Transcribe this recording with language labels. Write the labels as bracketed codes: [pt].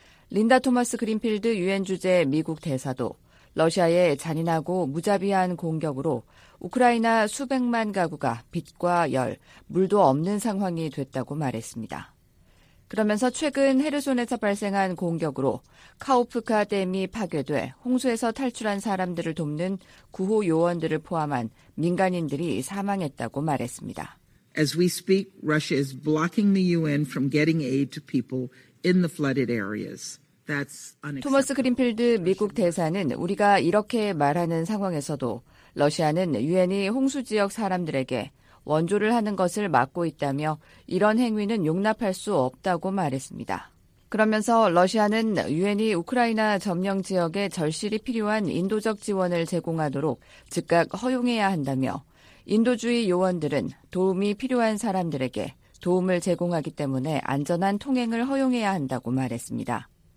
[ko] 린다 토마스 그린필드 유엔 주재 미국 대사도 러시아의 잔인하고 무자비한 공격으로 우크라이나 수백만 가구가 빛과 열, 물도 없는 상황이 됐다고 말했습니다. 그러면서 최근 헤르손에서 발생한 공격으로 카우프카 댐이 파괴돼 홍수에서 탈출한 사람들을 돕는 구호 요원들을 포함한 민간인들이 사망했다고 말했습니다. [en] As we speak, Russia is blocking the UN from getting aid to people in the flooded areas. [ko] 토머스 그린필드 미국 대사는 우리가 이렇게 말하는 상황에서도 러시아는 유엔이 홍수 지역 사람들에게 원조를 하는 것을 막고 있다며 이런 행위는 용납할 수 없다고 말했습니다. 그러면서 러시아는 유엔이 우크라이나 점령 지역에 절실히 필요한 인도적 지원을 제공하도록 즉각 허용해야 한다며 인도주의 요원들은 도움이 필요한 사람들에게 도움을 제공하기 때문에 안전한 통행을 허용해야 한다고 말했습니다.